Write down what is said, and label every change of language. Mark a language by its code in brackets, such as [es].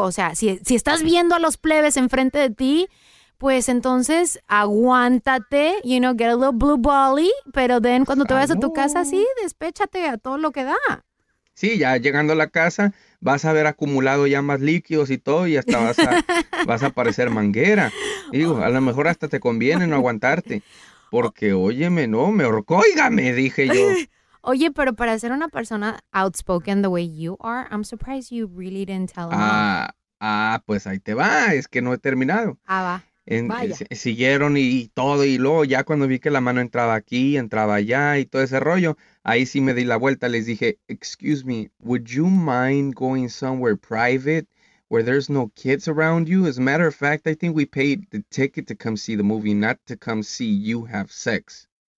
[es] O sea, si estás viendo a los plebes enfrente de ti, pues entonces aguántate, [en] you know, get a little blue bally, [es] pero [en] then [es] cuando te Ah, vayas a tu casa, no. sí, despéchate a todo lo que da. Sí, ya llegando a la casa vas a haber acumulado ya más líquidos y todo y hasta vas a parecer manguera. Digo, a lo mejor hasta te conviene no aguantarte. Porque, óyeme, no, me ahorcó, óigame, dije yo. Oye, pero para ser una persona [en] outspoken the way you are, I'm surprised you really didn't tell him off. [es] Pues ahí te va, es que no he terminado. Ah, va. Vaya. Siguieron y todo, y luego ya cuando vi que la mano entraba aquí, entraba allá y todo ese rollo, ahí sí me di la vuelta, les dije, [en] excuse me, would you mind going somewhere private where there's no kids around you? As a matter of fact, I think we paid the ticket to come see the movie, not to come see you have sex.